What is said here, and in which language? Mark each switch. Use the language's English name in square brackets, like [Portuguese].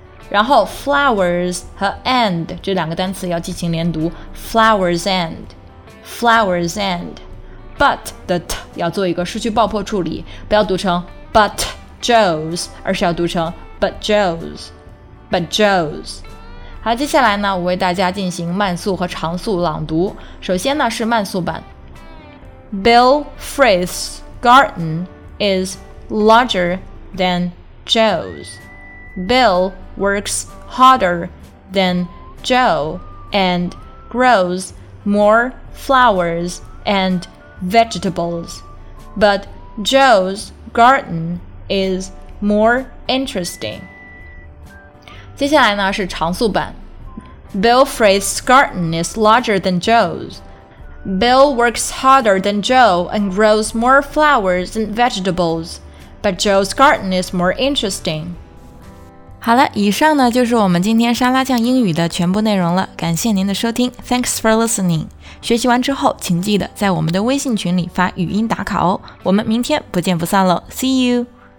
[Chinese] 然后 flowers 和 and 这两个单词要进行连读 [English] flowers and flowers and， [Chinese] but 的 t 要做一个失去爆破处理，不要读成 but Joe's， 而是要读成 [English] but Joe's but Joe's。 [Chinese] 好，接下来呢，我为大家进行慢速和长速朗读。首先呢是慢速版 [English] Bill Frith's garden is larger than Joe's. BillWorks harder than Joe and grows more flowers and vegetables. But Joe's garden is more interesting. [Chinese] 接下来呢是长速版。 [English] Bill Frith's garden is larger than Joe's. Bill works harder than Joe and grows more flowers and vegetables. But Joe's garden is more interesting. [Chinese] 好了，以上呢就是我们今天沙拉酱英语的全部内容了，感谢您的收听， [English] Thanks for listening。 [Chinese] 学习完之后请记得在我们的微信群里发语音打卡哦，我们明天不见不散喽， [English] See you。